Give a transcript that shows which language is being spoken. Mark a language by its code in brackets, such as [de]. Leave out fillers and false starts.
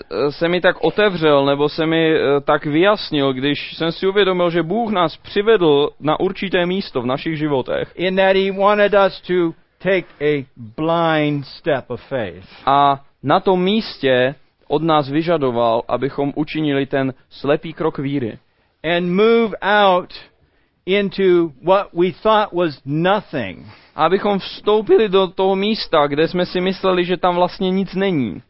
[cs] Se mi tak otevřel, nebo se mi tak vyjasnil, když jsem si uvědomil, že Bůh nás přivedl na určité místo v našich životech. [en] In that he wanted us to take a blind step of faith. [cs] A na tom místě od nás vyžadoval, abychom učinili ten slepý krok víry. [en] And move out into what we thought was nothing. [cs] Abychom vstoupili do toho místa, kde jsme si mysleli, že tam vlastně nic není.